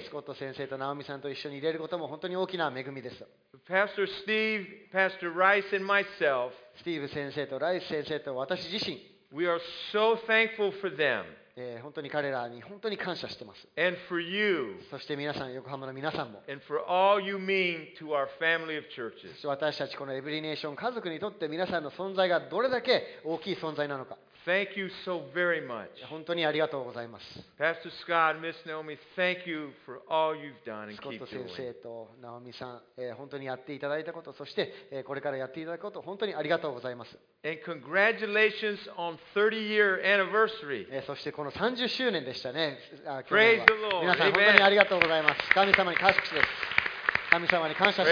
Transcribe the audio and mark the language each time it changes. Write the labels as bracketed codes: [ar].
[ja] スコット先生とナオミさんと一緒にいれることも本当に大きな恵みです。 [en] Pastor Steve, Pastor Rice and myself. [ja] スティーブ先生とライス先生と私自身。 [en] We are so thankful for them. [ja] 本当に彼らに本当に感謝してます。 [en] And for you. [ja] そして皆さん、横浜の皆さんも。 [en] And for all you mean to our family of churches. [ja] 私たちこのエブリネーション家族にとって皆さんの存在がどれだけ大きい存在なのか。 [en] Thank you so very much. [ja] 本当にありがとうございます。 [en] Pastor Scott, Miss Naomi, thank you for all you've done and keep doing. [ja] スコット先生とナオミさん、本当にやっていただいたこと、そして、これからやっていただくこと、本当にありがとうございます。 [en] And congratulations on 30-year anniversary. [ja] そしてこの30周年でしたね。 [en] Praise the Lord. [ja] 皆さん本当にありがとうございます。神様に感謝です。神様に感謝します。